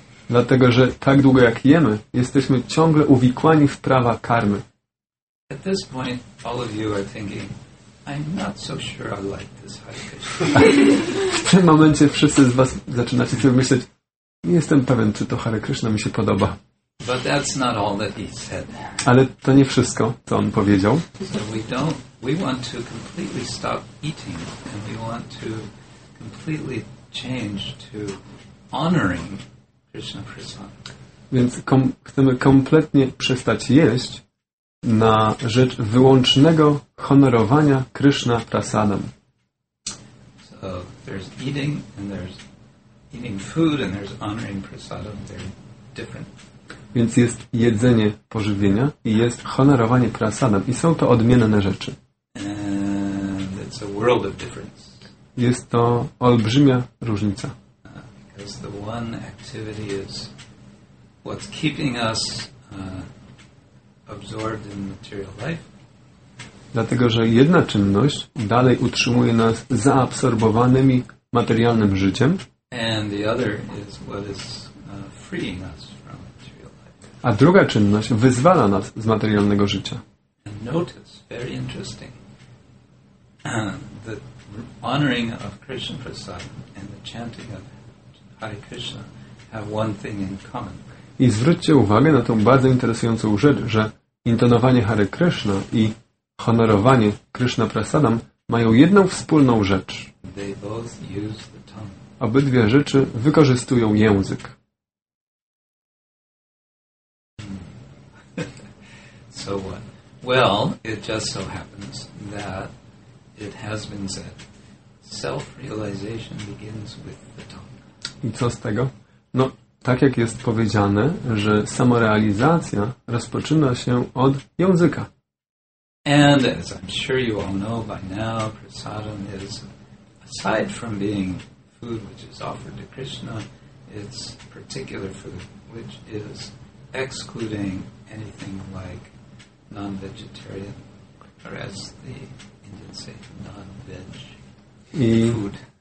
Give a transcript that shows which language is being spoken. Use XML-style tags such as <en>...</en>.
<pl>Dlatego, że tak długo jak jemy, jesteśmy ciągle uwikłani w prawa karmy.</pl> <en>At this point, all of you are thinking, I'm not so sure I like this Hare Krishna.</en> <pl>W tym momencie wszyscy z was zaczynacie sobie myśleć, nie jestem pewien, czy to Hare Krishna mi się podoba.</pl> <en>But that's not all that he said.</en> <pl>Ale to nie wszystko, co on powiedział.</pl> <en>So we want to completely stop eating and we want to completely change to honoring Krishna Prasad.</en> <pl>Więc chcemy kompletnie przestać jeść na rzecz wyłącznego honorowania Krishna Prasadam.</pl> <en>So there's eating and there's eating food and there's honoring Prasadam. They're different.</en> <pl>Więc jest jedzenie pożywienia i jest honorowanie prasadam. I są to odmienne rzeczy.</pl> <en>And it's a world of difference.</en> <pl>Jest to olbrzymia różnica.</pl> <en>Because the one activity is what's keeping us absorbed in material life.</en> <pl>Dlatego, że jedna czynność dalej utrzymuje nas zaabsorbowanymi materialnym życiem.</pl> <en>And the other is what is freeing us.</en> <pl>A druga czynność wyzwala nas z materialnego życia.</pl> <en>And notice, very interesting, the honoring of Krishna Prasad and the chanting of Hare Krishna have one thing in common.</en> <pl>I zwróćcie uwagę na tą bardzo interesującą rzecz, że intonowanie Hare Krishna i honorowanie Krishna Prasadam mają jedną wspólną rzecz.</pl> <en>They both use the tongue.</en> <pl>Obydwie rzeczy wykorzystują język.</pl> <en>So what? Well, it just so happens that it has been said, self-realization begins with the tongue.</en> <pl>I co z tego? No, tak jak jest powiedziane, że samorealizacja rozpoczyna się od języka.</pl> <en>And as I'm sure you all know by now, prasadam is, aside from being food which is offered to Krishna, it's particular food which is excluding anything like non-vegetarian, or as the Indians say, non-veg food.</en>